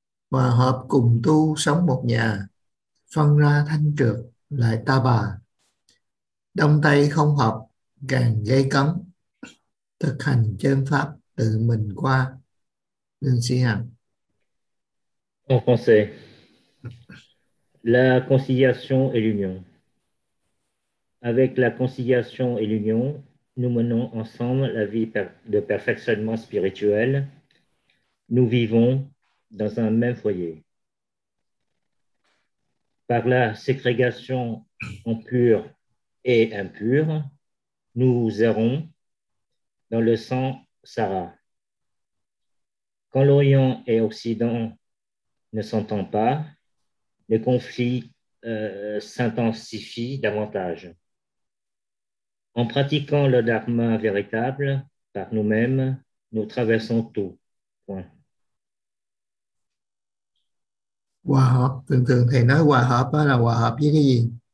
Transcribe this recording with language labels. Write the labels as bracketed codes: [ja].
[vi] Hòa hợp cùng tu sống một nhà, phân ra thanh trược lại ta bà. Đông tây không hợp càng gây cấn, thực hành chân pháp tự mình qua. Đường sĩ Hằng. [fr] En français, la conciliation et l'union. Avec la conciliation et l'union, nous menons ensemble la vie de perfectionnement spirituel. Nous vivons dans un même foyer. Par la ségrégation en pur et impur, nous errons dans le sang Sarah. Quand l'Orient et Occident ne s'entend pas, les conflits s'intensifient davantage. En pratiquant le dharma véritable par nous-mêmes, nous traversons tout. Point. [vi] Hòa hợp, thường thường thầy nói hòa hợp đó là hòa hợp với cái gì?